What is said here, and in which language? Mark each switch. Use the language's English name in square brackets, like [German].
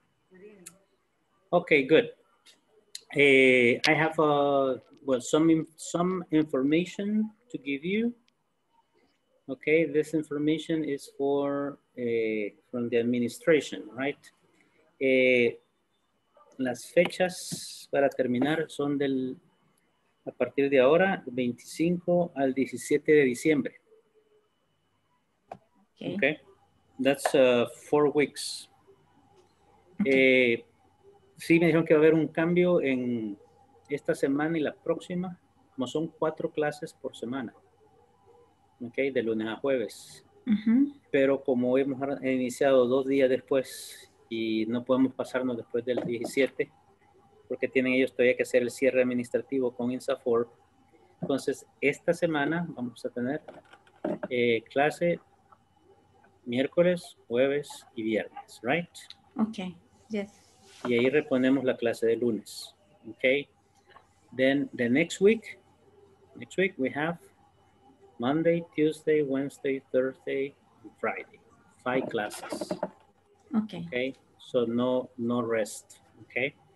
[English] Good evening. Okay, good. I have some information to give you. Okay, this information is for from the administration, right? [Spanish] Las fechas para terminar son del a partir de ahora 25 al 17 de diciembre. [English] Okay, okay. That's 4 weeks. Okay. [Spanish] Sí, me dijeron que va a haber un cambio en esta semana y la próxima, como son 4 clases por semana. Okay, de lunes a jueves. Uh-huh. Pero como hemos iniciado 2 días después y no podemos pasarnos después del 17, porque tienen ellos todavía que hacer el cierre administrativo con INSAFORP, entonces esta semana vamos a tener clase miércoles, jueves y viernes, [English] right? Okay, yes. [Spanish] Y ahí reponemos la clase de lunes. [English] Okay, then the next week we have Monday, Tuesday, Wednesday, Thursday, and Friday. 5 classes. Okay. Okay. So no rest. Okay.